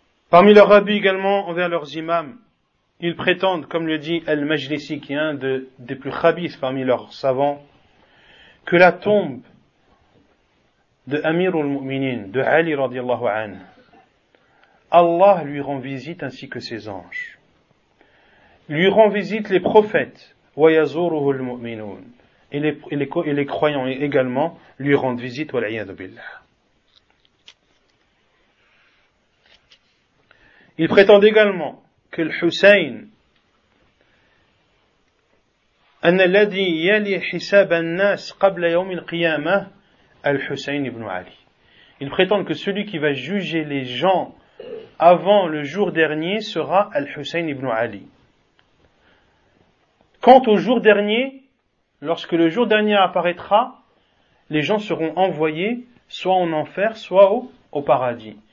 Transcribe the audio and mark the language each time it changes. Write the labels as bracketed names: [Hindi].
[French] Parmi leurs habits également envers leurs imams, ils prétendent, comme le dit Al-Majlisi, qui est un des plus khabith parmi leurs savants, que la tombe de Amir al-Mu'minin, de Ali radiallahu anhu, Allah lui rend visite ainsi que ses anges. Lui rend visite les prophètes, [Arabic] وَيَزُورُهُ الْمُؤْمِنُونَ, [French] et les croyants également lui rendent visite, [Arabic] وَلْعِيَذُ بِاللَّهِ. [French] Il prétend également que le Hussein, [Arabic] أَنَّ الَّذِي يَلِي حِسَابَ النَّاسِ قَبْلَ يَوْمِ الْقِيَامَةِ الْحُسَيْنِ ibn Ali. [French] Il prétend que celui qui va juger les gens avant le jour dernier sera Al-Hussein ibn Ali. Quant au jour dernier, lorsque le jour dernier apparaîtra, les gens seront envoyés soit en enfer, soit au paradis.